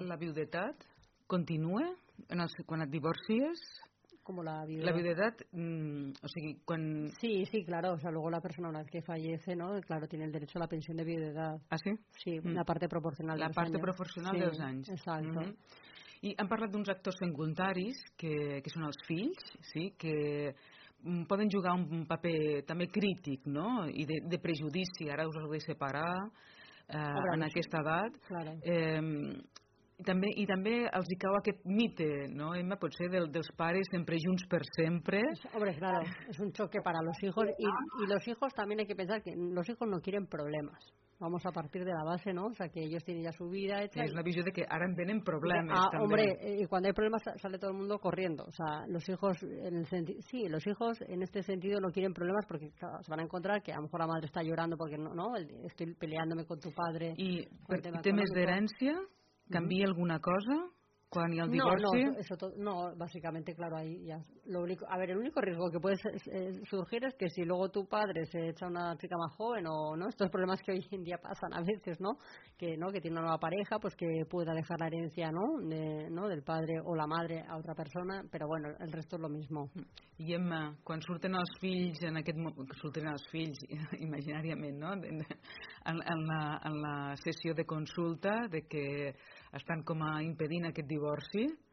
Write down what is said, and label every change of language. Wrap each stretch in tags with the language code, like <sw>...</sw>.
<ca>¿La viudetat continúa quan et divorcies?</ca> <es>Como la viudedad. La viudedad, o sea, con... Sí, claro. O sea, luego la persona, una vez que fallece, ¿no? Claro, tiene el derecho a la pensión de viudedad. ¿Ah, sí? Sí, la parte proporcional de los años. La parte proporcional de los años. Exacto. Mm-hmm.</es> <ca>I han parlat d'uns actors secundaris, que són els fills, sí, que poden jugar un paper també crític, ¿no? I de prejudici, ara us heu de separar en aquesta edat.</ca> <es>Claro.</es> <ca>I també els hi cau aquest mite, no, Emma, potser dels pares sempre junts per sempre.</ca> <es>Hombre, claro, es un choque para los hijos y los hijos también hay que pensar que los hijos no quieren problemas. Vamos a partir de la base, ¿no? O sea, que ellos tienen ya su vida hecha. Es la visión de que ahora vienen problemas también. Hombre, y cuando hay problemas sale todo el mundo corriendo. O sea, los hijos, los hijos en este sentido no quieren problemas porque se van a encontrar que a lo mejor la madre está llorando porque no, estoy peleándome con tu padre.</es> <ca>¿Y temes de herencia? ¿Canvia alguna cosa quan hi ha el divorci?</ca> <es>No,</es> <ca>bàsicament,</ca> <es>claro, ahí ya. El único riesgo que puede surgir es que si luego tu padre se echa una chica más joven o no, estos problemas que hoy en día pasan a veces, ¿no? Que tiene una nueva pareja, pues que pueda dejar la herencia, ¿no? Del padre o la madre a otra persona, pero bueno, el resto es lo mismo.</es> <ca>I Emma, quan surten els fills en aquest surten els fills imaginàriament, ¿no? En la sessió de consulta de que estan com a impedint aquest divorci?</ca>